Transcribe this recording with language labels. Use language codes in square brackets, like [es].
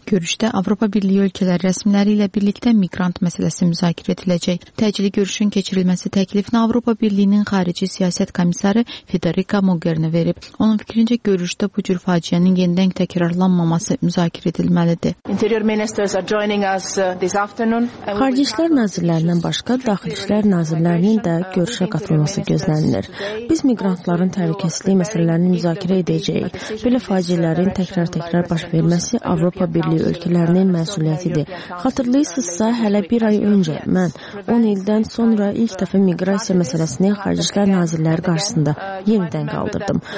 [az] Görüşdə Avropa Birliyi ölkələri rəsmiləri ilə birlikdə miqrant məsələsi müzakirə ediləcək. Təcili görüşün keçirilməsi təklifini Avropa Birliyinin Xarici Siyasət Komissiyası Federica Mogherini verib. Onun fikrincə görüşdə bu cür faciənin yenidən təkrarlanmaması müzakirə edilməlidir. [en] Interior ministers are joining us this afternoon. [az] Xarici İşlər nazirlərindən başqa Daxili İşlər nazirlərinin də görüşə qatılması gözlənilir. Biz miqrantların təhlükəsizliyi məsələlərini müzakirə edəcəyik. Belə faciələrin təkrar-təkrar baş verməsi Avropa Birliyi ölkələrinin məsuliyyətidir. Xatırlayırsınızsa, hələ bir ay öncə mən 10 ildən sonra ilk dəfə miqrasiya məsələsini Xarici İşlər nazirləri qarşısında yenidən qaldırdım.